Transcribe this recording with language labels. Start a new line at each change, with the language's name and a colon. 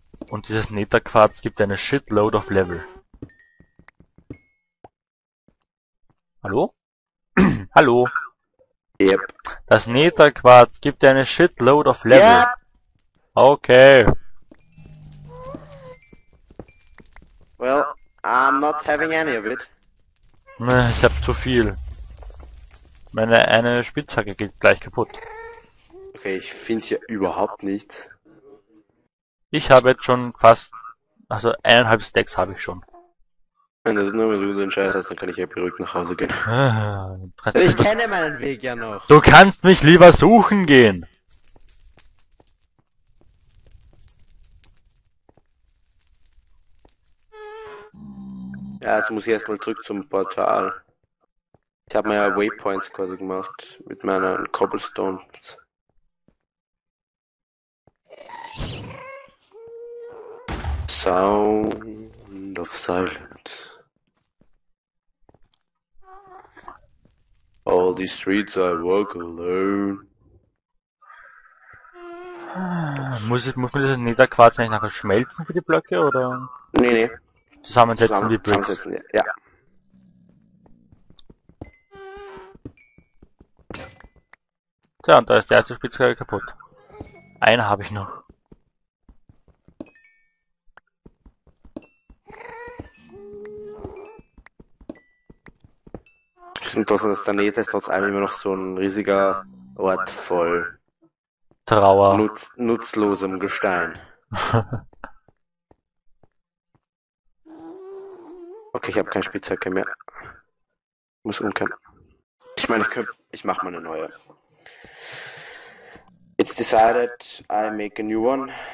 German: Und dieses Netherquarz gibt eine
English: Shitload of
German: Level. Hallo? Hallo?
English: Yep.
German: Das Netherquarz gibt eine
English: Shitload of
German: Level.
English: Yep. Okay. Well, I'm not having any of it.
German: Ich hab zu viel. Meine eine Spitzhacke geht gleich kaputt. Okay, ich finde hier überhaupt nichts. Ich habe jetzt schon fast, also 1,5 Stacks habe ich schon. Wenn du den Scheiß hast, dann kann ich ja beruhigt nach Hause gehen. Ich Trotzdem, kenne meinen Weg ja noch. du kannst mich lieber suchen gehen. Jetzt muss ich erstmal zurück zum Portal. Ich habe mir ja Waypoints quasi gemacht mit meinen Cobblestones.
English: Sound of Silence. All these streets I walk alone.
German: Muss man das Netherquarz eigentlich nachher schmelzen für die Blöcke oder Nee. zusammensetzen wie Zusammen,
English: Bricks?
German: zusammensetzen, ja. Tja, und da ist der erste Spitzhacke kaputt. Eine habe ich noch. Und das Planet ist trotz allem immer noch so ein riesiger Ort voll Trauer. nutzlosem Gestein. Okay, ich habe keine Spitzhacke mehr. Muss umkehren. Ich meine, ich mache mal eine neue.
English: It's decided, I make a new one.